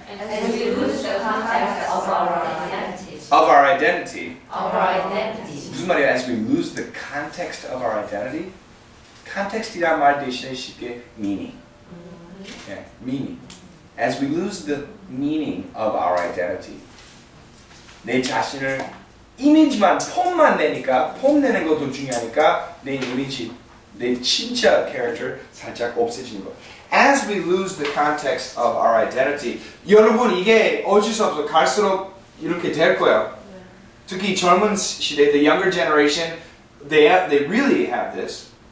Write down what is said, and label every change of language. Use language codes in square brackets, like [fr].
[en] As we lose the context of our identity. Of our identity. Of our identity. [ko] 무슨 말이야? [en] As we lose the context of our identity. Context이란 [ko] 말 대신에 쉽게 [en] meaning. Yeah, meaning. As we lose the meaning of our identity. [ko] 내 자신을 이미지만 폼만 내니까 폼 내는 것도 중요하니까 내 이미지 내 진짜 character 살짝 없어지는 거. [en] As we lose the context of our identity. [ko] 여러분 이게 어쩔 수 없어 갈수록 이렇게 될 거예요. 특히 젊은 시대, [en] the younger generation, they really have this.